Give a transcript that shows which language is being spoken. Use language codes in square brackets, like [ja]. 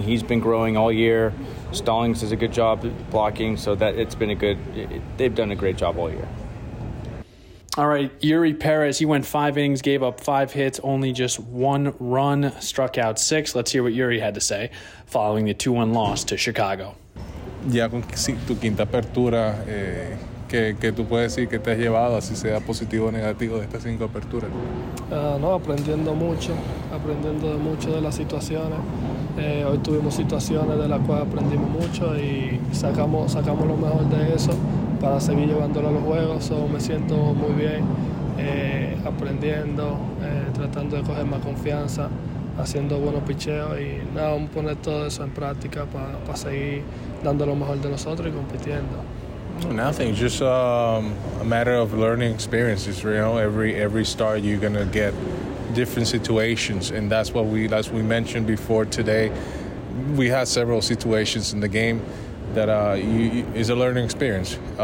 [en] He's been growing all year. Stallings does a good job blocking, so that it's been a good – they've done a great job all year. All right, Yuri Perez, he went 5 innings, gave up 5 hits, only just 1 run, struck out 6. Let's hear what Yuri had to say following the 2-1 loss to Chicago. [es] Ya con tu quinta apertura, que tú puedes decir que te has llevado, así sea positivo o negativo, de estas 5 aperturas? No, aprendiendo mucho de las situaciones. Hoy tuvimos situaciones de las cuales aprendimos mucho y sacamos lo mejor de eso para seguir llevándolo a los juegos. So, me siento muy bien aprendiendo, tratando de coger más confianza, haciendo buenos picheos y nada, vamos a poner todo eso en práctica para seguir dando lo mejor de nosotros y compitiendo. [en] Nothing, just a matter of learning experiences, you know, every start you're going to get different situations, and that's what we, as we mentioned before today, we had several situations in the game that is a learning experience.